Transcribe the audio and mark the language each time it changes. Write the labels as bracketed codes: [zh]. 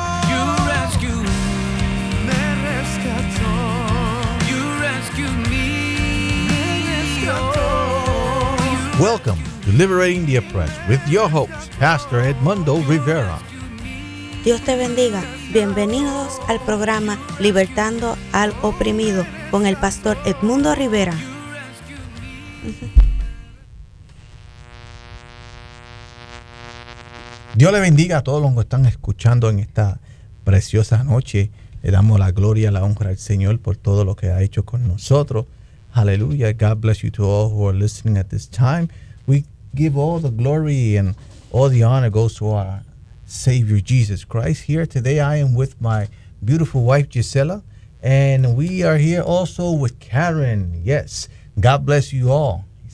[en] You rescue me, [es] me rescató. [en] You rescue me, [es] me rescató. [en] Welcome to Liberating the Oppressed with your host, Pastor Edmundo Rivera. [es] Dios te bendiga. Bienvenidos al programa Libertando al Oprimido con el Pastor Edmundo Rivera. Dios le bendiga a todos los que están escuchando en esta preciosa noche. Le damos la gloria, la honra al Señor por todo lo que ha hecho con nosotros. Aleluya. [en] God bless you to all who are listening at this time. We give all the glory and all the honor goes to our Savior Jesus Christ. Here today I am with my beautiful wife Gisela, and we are here also with Karen. Yes, God bless you all.